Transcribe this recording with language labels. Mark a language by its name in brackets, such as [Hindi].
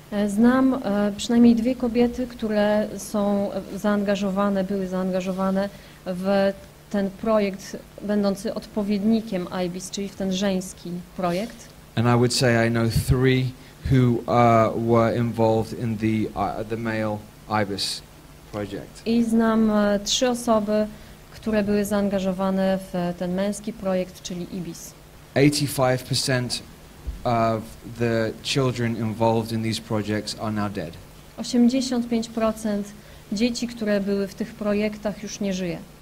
[Polish] Znam przynajmniej dwie kobiety, które są zaangażowane, były zaangażowane w ten projekt będący odpowiednikiem IBIS, czyli w ten żeński projekt. [English] And I would say I know three who were involved in the male IBIS project. [Polish] I znam trzy osoby, które były zaangażowane w ten męski projekt, czyli IBIS. [English] 85% of the children involved in these projects are now dead. [Polish] 85% dzieci, które były w tych projektach, już nie żyje.